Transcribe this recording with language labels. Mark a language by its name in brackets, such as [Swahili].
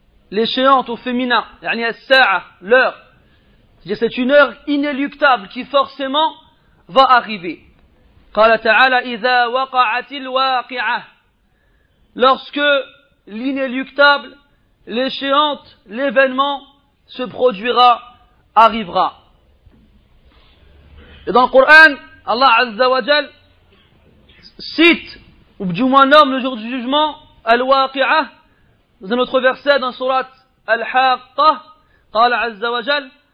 [French] L'échéante au féminin. Yani, as-sa'a, l'heure. C'est-à-dire, c'est une heure inéluctable qui forcément va arriver. [Arabic] قال تعالى إذا وقعت الواقعة. [French] Lorsque l'inéluctable, l'échéante, l'événement se produira, arrivera. Et dans le Coran, Allah Azza wa Jal cite, ou du moins nomme le jour du jugement, Al-Waqi'ah, dans un autre verset, dans surat Al-Haqqah, [Arabic] قال عز وجل